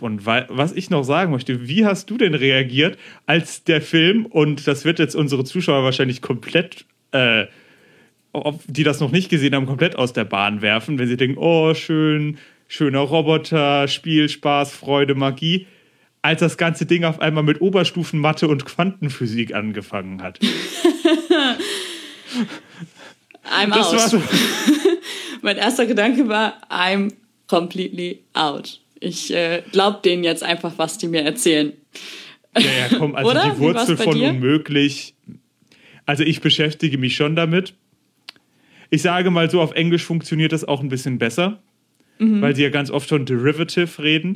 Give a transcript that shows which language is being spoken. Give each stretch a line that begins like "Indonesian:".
German: Und was ich noch sagen möchte, wie hast du denn reagiert, als der Film, und das wird jetzt unsere Zuschauer wahrscheinlich komplett, die das noch nicht gesehen haben, komplett aus der Bahn werfen, wenn sie denken, oh schön, schöner Roboter, Spiel, Spaß, Freude, Magie, als das ganze Ding auf einmal mit Oberstufen Mathe und Quantenphysik angefangen hat.
English: I'm das out. So.
German: Mein erster Gedanke war,
English: I'm completely out.
German: Ich glaube denen jetzt einfach, was die mir erzählen. Ja, komm, also die Wurzel von dir? Unmöglich. Also ich beschäftige mich schon damit. Ich sage mal so, auf Englisch funktioniert das auch ein bisschen besser. Mhm. Weil sie ja ganz oft von Derivative reden.